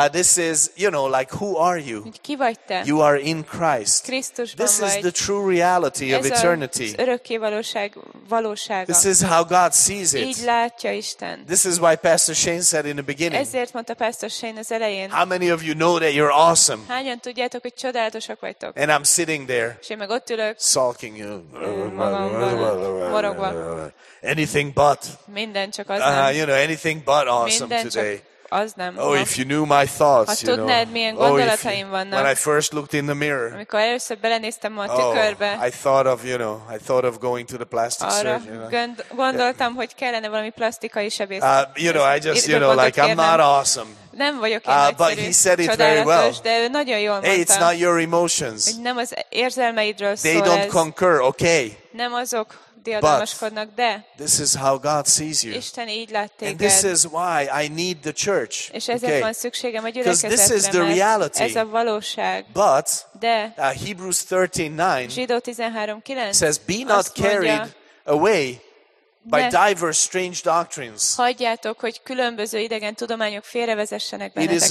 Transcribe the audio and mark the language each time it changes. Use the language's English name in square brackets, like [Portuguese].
[English] This is, you know, like who are you? [Hungarian] Ki vagy te? [English] You are in Christ. [Hungarian] Krisztusban [English] this [Hungarian] vagy. [English] Is the true reality [Hungarian] Ez [English] of eternity. [Hungarian] Ez az örökké valóság valósága. [English] This is how God sees it. [Hungarian] Így látja Isten. [English] This is why Pastor Shane said in the beginning. [Hungarian] Ezért mondta Pastor Shane az elején. [English] How many of you know that you're awesome? [Hungarian] Hányan tudjátok, hogy csodálatosak vagytok. [English] And I'm sitting there. [Hungarian] És én meg ott ülök. [English] Sulking you. [Hungarian] Morogva. [English] Anything but. [Hungarian] Minden csak az nem. [English] You know, anything but awesome [Hungarian] Minden [English] today. [Hungarian] Csak az nem. [English] Oh, if you knew my thoughts, [Hungarian] ha tudnád, milyen gondolataim vannak. [English] When I first looked in the mirror. [Hungarian] Amikor először belenéztem a tükörbe. [English] I thought of, you know, I thought of going to the plastic [Hungarian] arra [English] surgery. You know? [Hungarian] Gondoltam, yeah. hogy kellene valami plastikai sebész. [English] You know, I just, you know, like I'm not awesome. [Hungarian] Nem vagyok én egyszerű, [English] but he said it very well. [Hungarian] De ő nagyon jól mondta. [English] Hey, it's not your emotions. [Hungarian] Nem az érzelmeidről szól ez. [English] They don't concur, okay. [Hungarian] Nem azok diadalmaskodnak, de. [English] This is how God sees you. [Hungarian] Isten így lát téged. [English] And this is why I need the church. [Hungarian] És ezért [English] okay. [Hungarian] van szükségem a gyülekezetre. [English] This is the reality. [Hungarian] Ez a valóság. [English] But. [Hungarian] De. [English] Hebrews 13:9. [Hungarian] Zsidó 13:9. [English] Says, be not carried away. By diverse strange doctrines. [Hungarian] Hagyjátok, hogy különböző idegen tudományok félrevezessenek benneteket.